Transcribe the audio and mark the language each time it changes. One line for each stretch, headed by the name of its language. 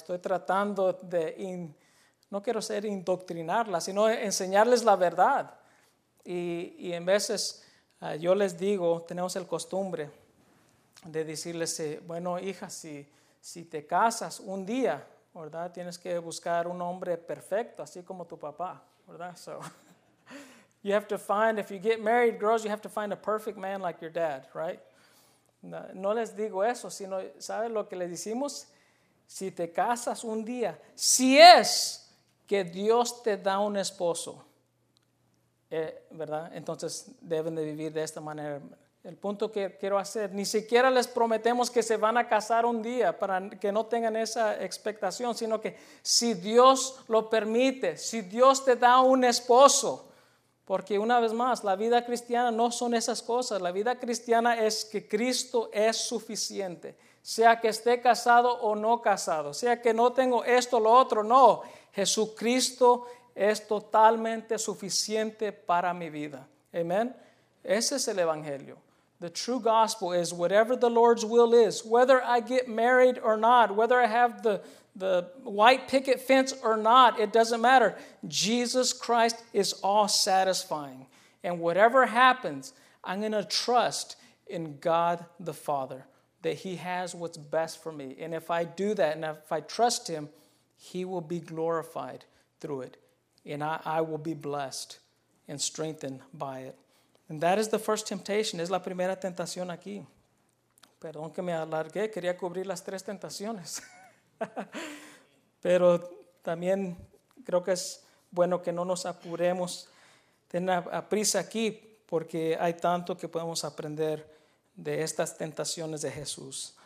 Spanish: Estoy tratando de, no quiero ser indoctrinarlas, sino enseñarles la verdad. Y en veces yo les digo, tenemos el costumbre de decirles, bueno, hija, si te casas un día, ¿verdad? Tienes que buscar un hombre perfecto, así como tu papá, ¿verdad?
English: So, you have to find, if you get married, girls, you have to find a perfect man like your dad, right?
Spanish: No les digo eso, sino, ¿sabes lo que les decimos? Si te casas un día, si es que Dios te da un esposo, ¿verdad? Entonces deben de vivir de esta manera. El punto que quiero hacer, ni siquiera les prometemos que se van a casar un día para que no tengan esa expectación, sino que si Dios lo permite, si Dios te da un esposo, porque una vez más, la vida cristiana no son esas cosas. La vida cristiana es que Cristo es suficiente. Sea que esté casado o no casado. Sea que no tengo esto o lo otro. No, Jesucristo es totalmente suficiente para mi vida. Amén. Ese es el evangelio.
English: The true gospel is whatever the Lord's will is. Whether I get married or not. Whether I have the white picket fence or not, it doesn't matter. Jesus Christ is all satisfying. And whatever happens, I'm going to trust in God the Father, that He has what's best for me. And if I do that, and if I trust Him, He will be glorified through it. And I will be blessed and strengthened by it. And that is the first temptation.
Spanish: Es la primera tentación aquí. Perdón que me alargué. Quería cubrir las tres tentaciones. Pero también creo que es bueno que no nos apuremos, tener a prisa aquí, porque hay tanto que podemos aprender de estas tentaciones de Jesús.